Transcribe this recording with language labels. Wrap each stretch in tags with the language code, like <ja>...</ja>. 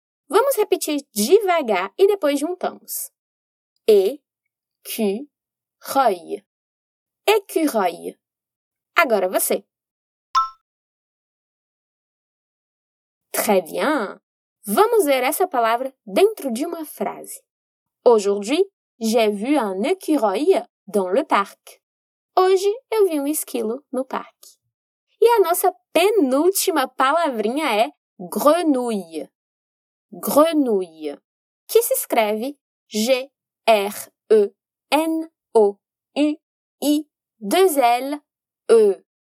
<pt>Vamos repetir devagar e depois juntamos. Écureuil. Écureuil. Agora você.</pt> <fr>Très bien.</fr> <pt>Vamos ver essa palavra dentro de uma frase.</pt> <fr>Aujourd'hui, j'ai vu un écureuil dans le parc.</fr> <pt>Hoje, eu vi um esquilo no parque. E a nossa penúltima palavrinha é grenouille. Grenouille. Que se escreve G-R-E-N-O-U-I-2-L-E.</pt>